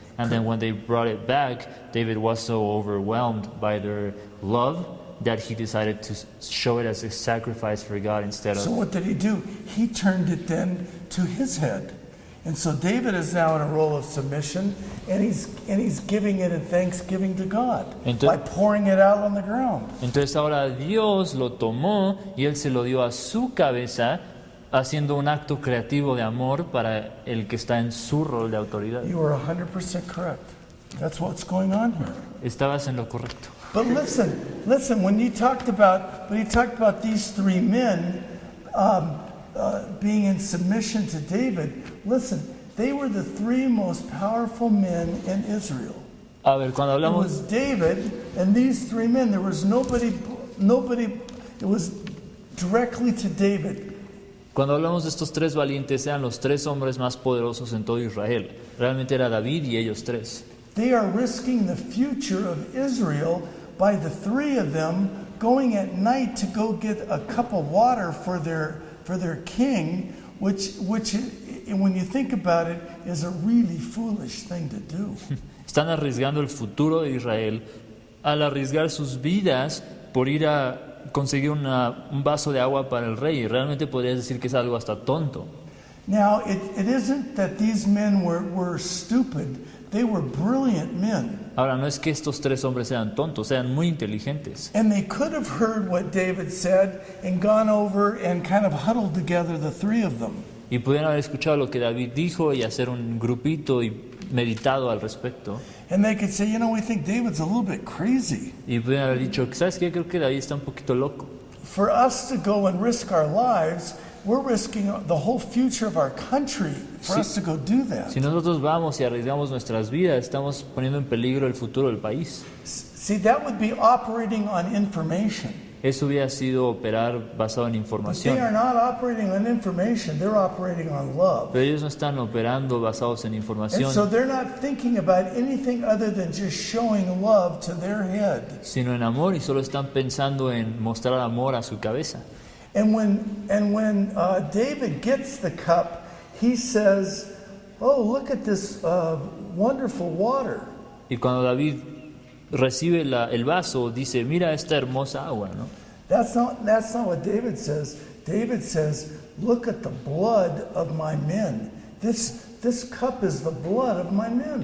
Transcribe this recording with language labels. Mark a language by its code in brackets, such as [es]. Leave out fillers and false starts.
[en] And then when they brought it back, David was so overwhelmed by their love that he decided to show it as a sacrifice for God instead of... So what did he do? He turned it then to his head. And so David is now in a role of submission, and he's giving it in thanksgiving to God by pouring it out on the ground. [es] Entonces ahora Dios lo tomó y él se lo dio a su cabeza, haciendo un acto creativo de amor para el que está en su rol de autoridad. [en] You are 100% correct. That's what's going on here. [es] Estabas en lo correcto. [en] But listen. When he talked about these three men. Being in submission to David, listen, they were the three most powerful men in Israel. [es] A ver, cuando hablamos... [en] It was David and these three men. There was nobody, it was directly to David. [es] Cuando hablamos de estos tres valientes, eran los tres hombres más poderosos en todo Israel. Realmente era David y ellos tres. [en] They are risking the future of Israel by the three of them going at night to go get a cup of water for their king, which when you think about it, is a really foolish thing to do. [es] Están arriesgando el futuro de Israel al arriesgar sus vidas por ir a conseguir un vaso de agua para el rey. Realmente podrías decir que es algo hasta tonto. [en] Now, it isn't that these men were stupid. They were brilliant men. [es] Ahora, no es que estos tres hombres sean tontos, sean muy inteligentes. [en] And they could have heard what David said and gone over and kind of huddled together the three of them. [es] Y pudieron haber escuchado lo que David dijo y hacer un grupito y meditado al respecto. [en] And they could say, you know, we think David's a little bit crazy. [es] Y pudieron haber dicho, ¿sabes qué? Creo que David está un poquito loco. [en] For us to go and risk our lives we're risking the whole future of our country for us to go do that. [es] Si nosotros vamos y arriesgamos nuestras vidas, estamos poniendo en peligro el futuro del país. [en] See, that would be operating on information. [es] Eso hubiera sido operar basado en información. [en] They are not operating on information, they're operating on love. [es] Pero ellos no están operando basados en información. [en] And so they're not thinking about anything other than just showing love to their head. [es] Sino en amor, y solo están pensando en mostrar amor a su cabeza. [en] And when David gets the cup, he says, "Oh, look at this wonderful water." [es] Y cuando David recibe el vaso, dice, mira esta hermosa agua, ¿no? [en] That's not what David says. David says, look at the blood of my men. This cup is the blood of my men.